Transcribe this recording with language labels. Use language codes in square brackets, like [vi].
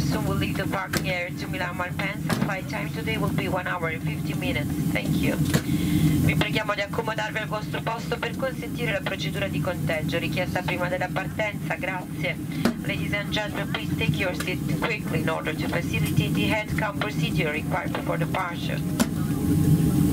[en] Soon we'll leave the parking area to Milan Malpensa. Flight time today will be 1 hour and 50 minutes. Thank you. [it] Vi preghiamo di accomodarvi al vostro posto per consentire la procedura di conteggio richiesta prima della partenza. Grazie. [en] Ladies and gentlemen, please take your seat quickly in order to facilitate the headcount procedure required before departure.